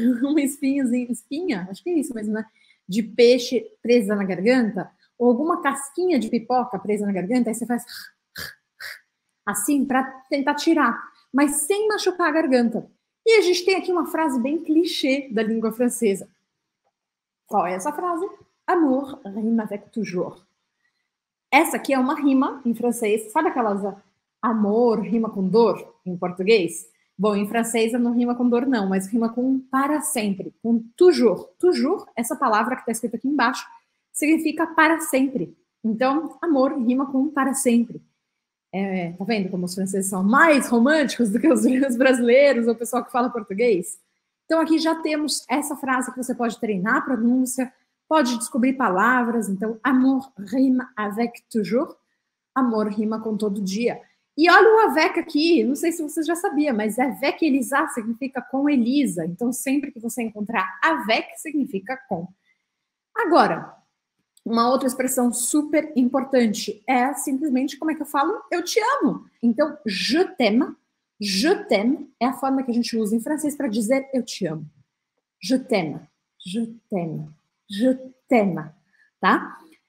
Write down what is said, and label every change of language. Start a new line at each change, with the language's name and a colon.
Portuguese: Uma espinhazinha, espinha? Acho que é isso mesmo, né? De peixe presa na garganta. Ou alguma casquinha de pipoca presa na garganta, aí você faz assim para tentar tirar, mas sem machucar a garganta. E a gente tem aqui uma frase bem clichê da língua francesa. Qual é essa frase?
French: Amour rime avec toujours.
Portuguese: Essa aqui é uma rima em francês. Sabe aquelas amor rima com dor em português? Bom, em francês não rima com dor não, mas rima com para sempre, com toujours. Toujours, essa palavra que está escrita aqui embaixo, significa para sempre. Então, amor rima com para sempre. É, tá vendo como os franceses são mais românticos do que os brasileiros ou o pessoal que fala português? Então, aqui já temos essa frase que você pode treinar a pronúncia, pode descobrir palavras. Então, amor rima
French: avec toujours.
Portuguese: Amor rima com todo dia. E olha o avec aqui, não sei se você já sabia, mas
French: avec Elisa
Portuguese: significa com Elisa. Então, sempre que você encontrar avec, significa com. Agora, uma outra expressão super importante é simplesmente como é que eu falo eu te amo. Então,
French: je t'aime
Portuguese: é a forma que a gente usa em francês para dizer eu te amo.
French: Je t'aime, je t'aime, je t'aime,
Portuguese: tá?